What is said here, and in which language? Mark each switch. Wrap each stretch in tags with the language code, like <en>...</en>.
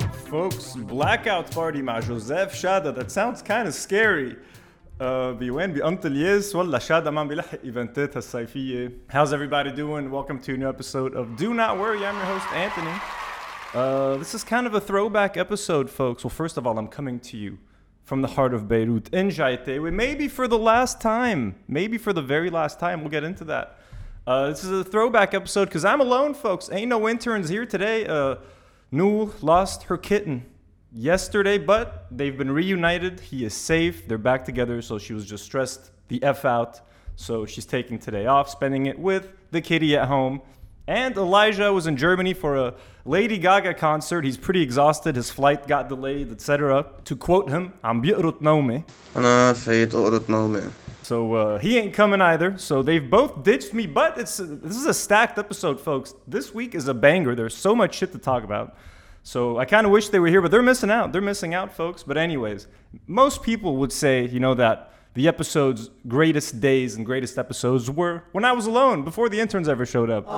<en>Folks, Blackout Party مع Joseph شادة. That sounds kind of scary.</en> <ar>بوين بأنطلياس ولا شادة ما عم بيلحق ايفنتات هالصيفية.</ar> <en>How's everybody doing? Welcome to a new episode of Do Not Worry. I'm your host Anthony. This is kind of a throwback episode, folks. Well, first of all, I'm coming to you from the heart of Beirut in Jaite. Maybe for the last time, maybe for the very last time, we'll get into that. This is a throwback episode because I'm alone, folks. Ain't no interns here today. Nul lost her kitten yesterday, but they've been reunited. He is safe. They're back together. So she was just stressed the F out. So she's taking today off, spending it with the kitty at home. And Elijah was in Germany for a Lady Gaga concert. He's pretty exhausted. His flight got delayed, etc. To quote him,</en> <ar>عم بيقرط نومي. أنا فايت أقرط نومي.</ar> <en>So he ain't coming either. So they've both ditched me, but this is a stacked episode, folks. This week is a banger. There's so much shit to talk about. So I kind of wish they were here, but they're missing out. They're missing out, folks. But anyways, most people would say, you know, that the episode's greatest days and greatest episodes were when I was alone, before the interns ever showed up.</en>